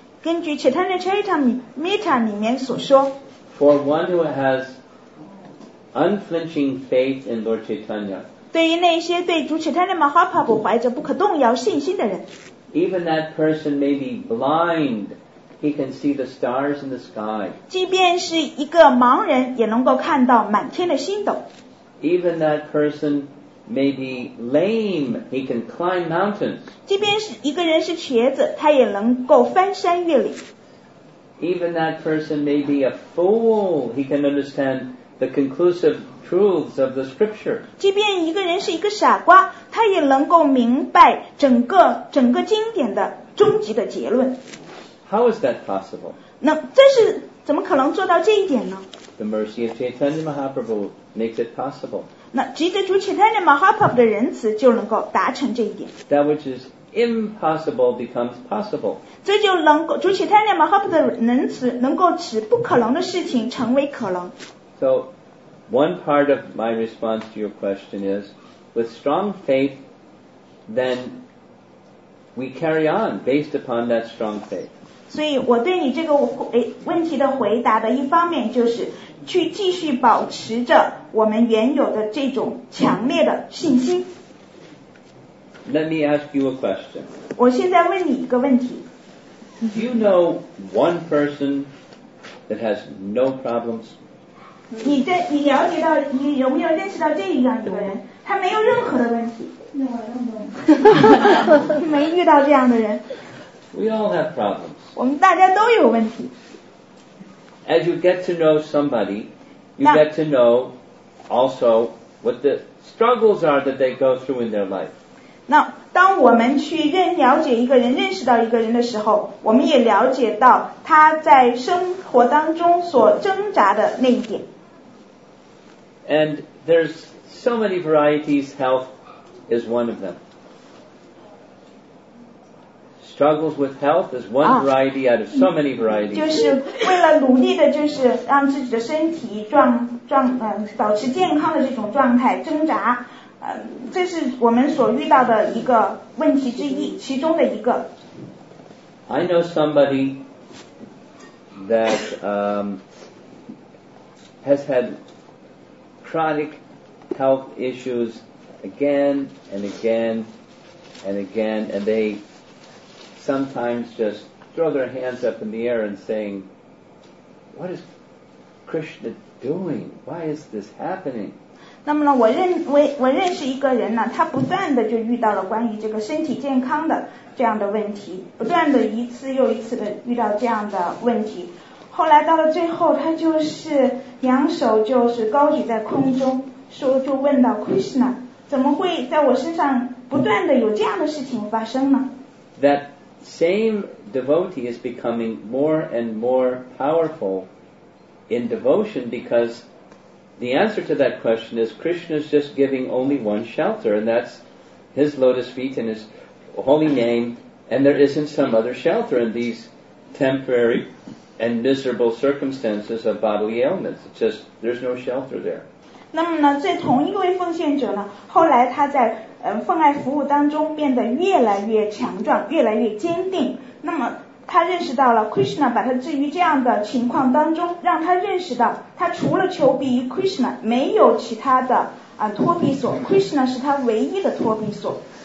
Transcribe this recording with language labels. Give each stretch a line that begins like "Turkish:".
Chinese: 根据 Chaitanya Charitamrita 里面所说，
English: for one who has unflinching faith in Lord Chaitanya,
Chinese: 对于那些对主 Chaitanya Mahaprabhu 怀着不可动摇信心的人，
English: even that person may be blind He can see the stars in the sky.
Chinese: 即便是一个盲人也能够看到满天的星斗。
English: Even that person may be lame, he can climb mountains.
Chinese: 即便是一个人是瘸子，他也能够翻山越岭。
English: Even that person may be a fool, he can understand the conclusive truths of the scripture.
Chinese: 即便一个人是一个傻瓜，他也能够明白整个经典的终极的结论。
English: How is that possible?
Chinese: 那这是怎么可能做到这一点呢？
English: The mercy of Chaitanya Mahaprabhu makes it possible.
Chinese: 那执着住 Chaitanya Mahaprabhu 的仁慈就能够达成这一点。
English: That which is impossible becomes possible.
Chinese: 这就能够住 Chaitanya Mahaprabhu 的仁慈能够使不可能的事情成为可能。
English: So, one part of my response to your question is, with strong faith, then we carry on based upon that strong faith.
Chinese: 所以我对你这个问题的回答的一方面就是去继续保持着我们原有的这种强烈的信心。
English: Let me ask you a question.
Chinese: 我现在问你一个问题。
English: Do you know one person that has no problems?
Chinese: 你了解到，你有没有认识到这样一个人？他没有任何的问题。没遇到这样的人。
English: We all have problems.
Chinese: 我们大家都有问题。
English: As you get to know somebody, you get to know also what the struggles are that they go through in their life.
Chinese: 那当我们去了解一个人、认识到一个人的时候，我们也了解到他在生活当中所挣扎的那一点。
English: And there's so many varieties. Health is one of them. Struggles with health is one variety out of so many varieties.
Chinese: 就是为了努力的，就是让自己的身体保持健康的这种状态挣扎，这是我们所遇到的一个问题之一，其中的一个。
English: I know somebody that has had chronic health issues again and again and again, and they. Sometimes just throw their hands up in the air and saying, "What is Krishna doing? Why is this happening?"
Chinese: 那么呢，我认识一个人呢，他不断的就遇到了关于这个身体健康的这样的问题，不断的一次又一次的遇到这样的问题。后来到了最后，他就是两手就是高举在空中，说就问到 Krishna， 怎么会在我身上不断的有这样的事情发生呢？
English: That. Same devotee is becoming more and more powerful in devotion because the answer to that question is Krishna is just giving only one shelter, and that's his lotus feet and his holy name, and there isn't some other shelter in these temporary and miserable circumstances of bodily ailments. It's just there's no shelter there.
Chinese: 那么呢，这同一位奉献者呢，后来他在奉爱服务当中变得越来越强壮，越来越坚定。那么他认识到了 Krishna 把他置于这样的情况当中，让他认识到他除了求庇于 Krishna 没有其他的托庇所， Krishna 是他唯一的托庇所。